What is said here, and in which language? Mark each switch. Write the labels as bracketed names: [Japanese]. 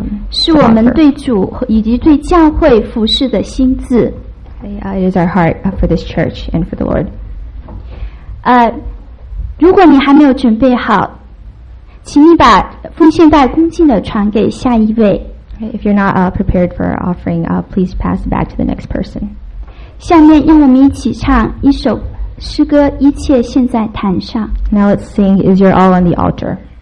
[Chinese] 是我们对主以及对教会服侍的心志。 [English] It is our heart for this church and for the Lord. [Chinese] 如果你还没有准备好，请你把奉献袋恭敬地传给下一位。 [English] If you're not prepared for our offering, please pass it back to the next person. [Chinese] 下面让我们一起唱一首。诗歌一切献在坛上。 [English] Now let's sing, Is Your All on the Altar?